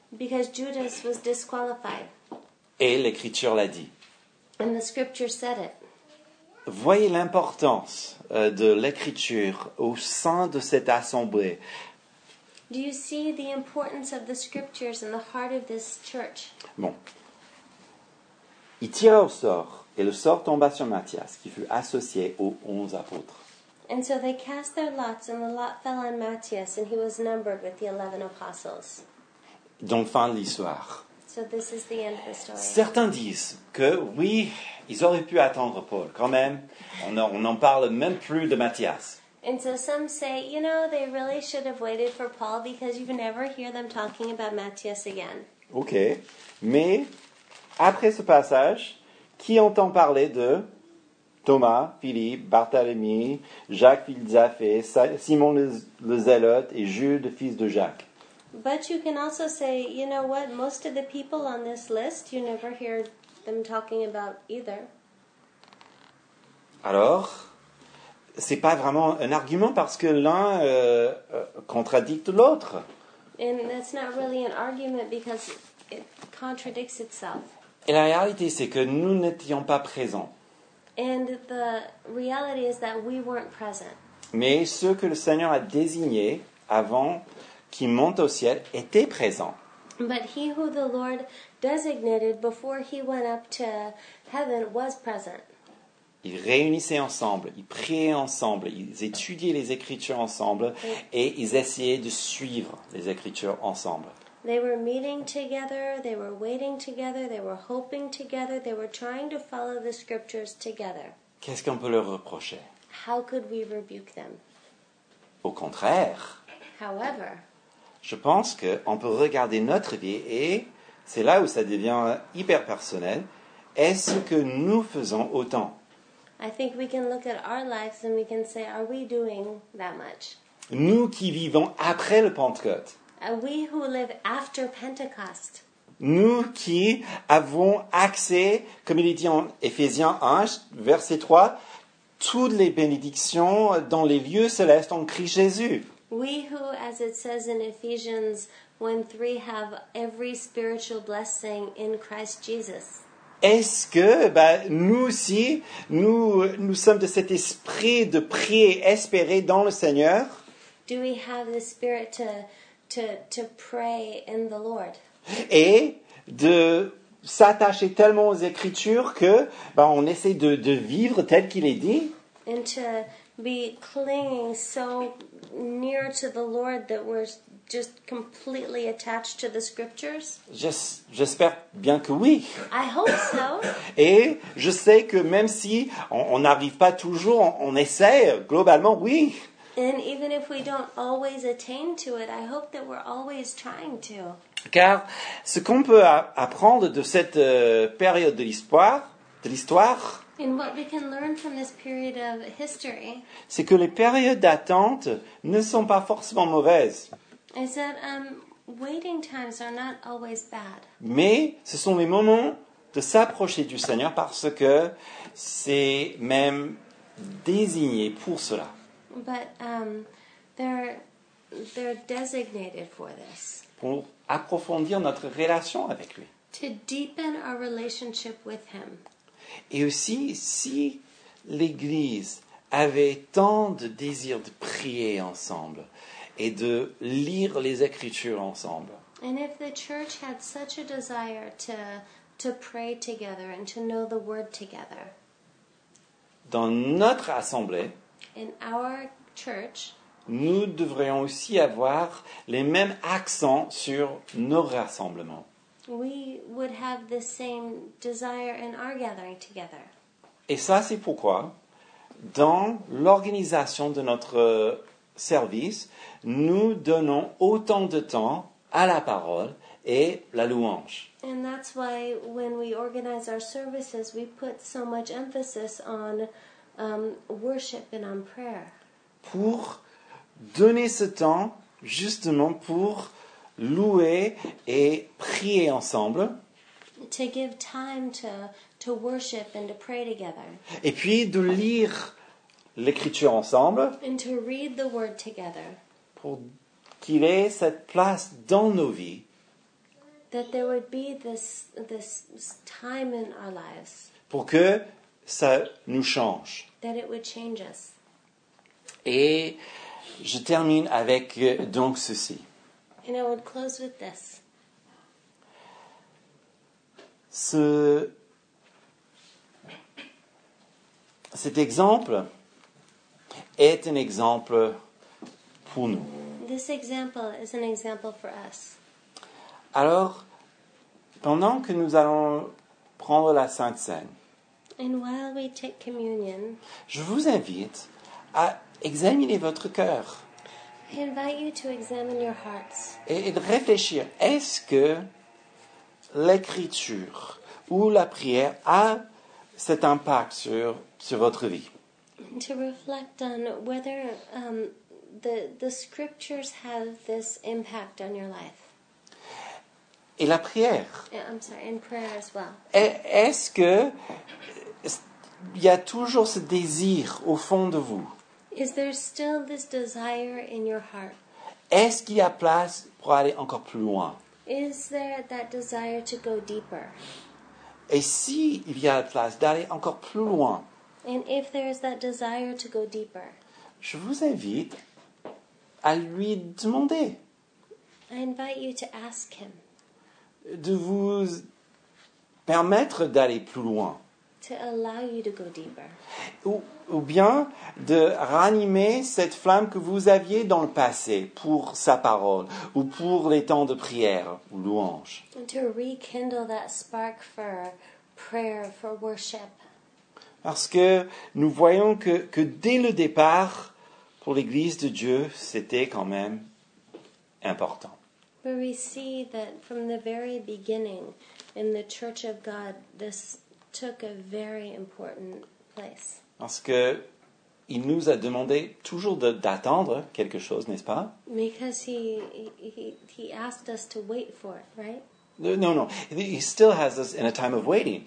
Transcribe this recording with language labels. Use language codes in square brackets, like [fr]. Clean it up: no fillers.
[en] Because Judas was disqualified. [fr] Et l'Écriture l'a dit. [en] And the Scripture said it. [fr] Voyez l'importance de l'Écriture au sein de cette assemblée. [en] Do you see the importance of the Scriptures in the heart of this church? [fr] Bon. Il tira au sort, et le sort tomba sur Matthias, qui fut associé aux 11 apôtres. [en] And so they cast their lots, and the lot fell on Matthias, and he was numbered with the 11 apostles. [fr] Donc, fin de l'histoire. [en] So this is the end of the story. [fr] Certains disent que, oui, ils auraient pu attendre Paul, quand même. On n'en parle même plus de Matthias. [en] And so some say, you know, they really should have waited for Paul because you never hear them talking about Matthias again. [fr] Ok. Mais, après ce passage, qui entend parler de Thomas, Philippe, Barthélemy, Jacques, fils de Zaphée, Simon le Zélote et Jude, fils de Jacques? [en] But you can also say, you know what, most of the people on this list, you never hear them talking about either. [fr] Alors, c'est pas vraiment un argument parce que l'un contradict l'autre. [en] And that's not really an argument because it contradicts itself. [fr] Et la réalité, c'est que nous n'étions pas présents. [en] And the reality is that we weren't present. [fr] Mais ceux que le Seigneur a désignés avant qui monte au ciel était présent. [en] But he who the Lord designated before he went up to heaven was present. [fr] Ils réunissaient ensemble, ils priaient ensemble, ils étudiaient les Écritures ensemble et ils essayaient de suivre les Écritures ensemble. [en] They were meeting together, they were waiting together, they were hoping together, they were trying to follow the Scriptures together. [fr] Qu'est-ce qu'on peut leur reprocher? [en] How could we rebuke them? [fr] Au contraire. [en] However, [fr] je pense qu'on peut regarder notre vie et c'est là où ça devient hyper personnel. Est-ce que nous faisons autant? [en] I think we can look at our lives and we can say, are we doing that much? [fr] Nous qui vivons après le Pentecôte. [en] We who live after Pentecost. [fr] Nous qui avons accès, comme il est dit en Éphésiens 1, verset 3, toutes les bénédictions dans les lieux célestes en Christ Jésus. [en] We who, as it says in Ephesians 1:3, have every spiritual blessing in Christ Jesus. [fr] Est-ce que bah, nous aussi, nous sommes de cet esprit de prier, espérer dans le Seigneur? [en] Do we have the spirit to pray in the Lord? [fr] Et de s'attacher tellement aux Écritures que bah, on essaie de vivre tel qu'il est dit? [en] And to be clinging so near to the Lord that we're just completely attached to the Scriptures? [fr] J'espère bien que oui. [en] I hope so. [fr] Et je sais que même si on n'arrive pas toujours, on essaie, globalement, oui. [en] And even if we don't always attain to it, I hope that we're always trying to. [fr] Car ce qu'on peut apprendre de cette période de l'histoire, [en] And what we can learn from this period of history, [fr] c'est que les périodes d'attente ne sont pas forcément mauvaises. [en] Is that, waiting times are not always bad. [fr] Mais ce sont les moments de s'approcher du Seigneur parce que c'est même désigné pour cela. [en] But, they're designated for this. [fr] Pour approfondir notre relation avec lui. [en] To deepen our relationship with him. [fr] Et aussi, si l'Église avait tant de désir de prier ensemble et de lire les Écritures ensemble, [en] and if the church had such a desire to pray together and to know the Word together, [fr] dans notre assemblée, [en] in our church, [fr] nous devrions aussi avoir les mêmes accents sur nos rassemblements. [en] We would have the same desire in our gathering together. [fr] Et ça, c'est pourquoi, dans l'organisation de notre service, nous donnons autant de temps à la parole et la louange. [en] And that's why when we organize our services, we put so much emphasis on worship and on prayer. [fr] Pour donner ce temps, justement, pour louer et prier ensemble. [en] To give time to worship and to pray together. [fr] Et puis de lire l'Écriture ensemble. [en] And to read the word together. [fr] Pour qu'il ait cette place dans nos vies. [en] That there would be this time in our lives. [fr] Pour que ça nous change. [en] That it would change us. [fr] Et je termine avec donc ceci. [en] And I would close with this. [fr] Cet exemple est un exemple pour nous. [en] This example is an example for us. [fr] Alors, pendant que nous allons prendre la Sainte Cène, [en] and while we take communion, [fr] je vous invite à examiner votre cœur. [en] I invite you to examine your hearts. [fr] Et de réfléchir, est-ce que l'écriture ou la prière a cet impact sur votre vie? [en] To reflect on whether the scriptures have this impact on your life. [fr] Et la prière? [en] Yeah, I'm sorry, and prayer as well. [fr] Est-ce que il y a toujours ce désir au fond de vous? [en] Is there still this desire in your heart? [fr] Est-ce qu'il y a place pour aller encore plus loin? [en] Is there that desire to go deeper? [fr] Et si il y a place d'aller encore plus loin? [en] And if there is that desire to go deeper? [fr] Je vous invite à lui demander. [en] I invite you to ask him. [fr] De vous permettre d'aller plus loin. [en] To allow you to go deeper. [fr] Ou bien de ranimer cette flamme que vous aviez dans le passé pour sa parole ou pour les temps de prière ou louange. [en] To rekindle that spark for prayer, for worship. [fr] Parce que nous voyons que dès le départ, pour l'Église de Dieu, c'était quand même important. [en] But we see that from the very beginning in the Church of God, this took a very important place. [fr] Parce que il nous a demandé toujours d'attendre quelque chose, n'est-ce pas? [en] Because he asked us to wait for it, right? No. He still has us in a time of waiting.